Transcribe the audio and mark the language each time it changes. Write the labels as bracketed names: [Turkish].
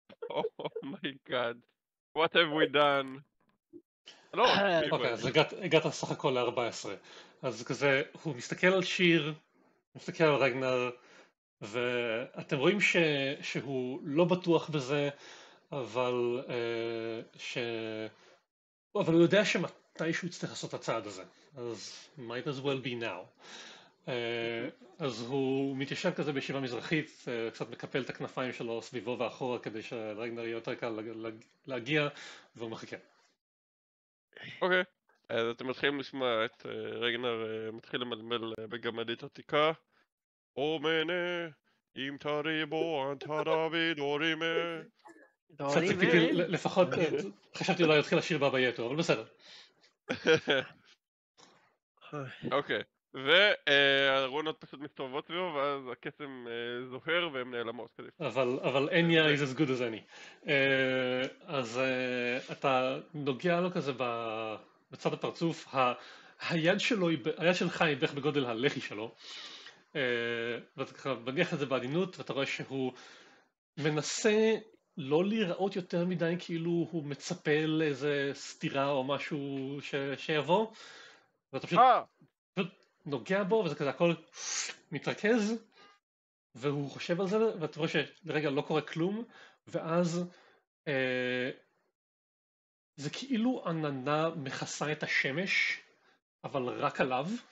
[English] Oh my god, what have we done? [Hebrew] אוקיי, אז הגעת סך הכל ל-14. אז כזה, הוא מסתכל על שיר, מסתכל על רגנר, ואתם רואים שהוא לא בטוח בזה, אבל ש... אבל הוא יודע שמתישהו יצטרך לעשות את הצעד הזה, אז [English] might as well be now. [Hebrew] אז הוא מתיישב כזה בישיבה מזרחית, קצת מקפל את הכנפיים שלו סביבו ואחורה כדי שרגנר יהיה יותר קל להגיע, והוא מחכה. אוקיי, אז אתם מתחילים לשמוע את רגנר מתחיל למלמל בגמדית עתיקה. או מנה, אם תריבו, אנתה דוד, אורי מנה. לפחות חשבתי אולי להתחיל לשיר בבא יטו, אבל בסדר. אוקיי, והרונות פשוט מסתובבות בו, ואז הקסם זוהר והן נעלמות כזה. אבל [English] any eye is as good as any. [Hebrew] אז אתה נוגע לו כזה בצד הפרצוף, היד שלך היא בערך בגודל הלחי שלו, ואתה ככה מניח את זה בעדינות, ואתה רואה שהוא מנסה... לא להיראות יותר מדי כאילו הוא מצפה לאיזה סתירה או משהו שיבוא, ואתה פשוט נוגע בו, וזה כזה הכל מתרכז, והוא חושב על זה, ואתה רואה שרגע לא קורה כלום, ואז זה כאילו עננה מכסה את השמש, אבל רק עליו.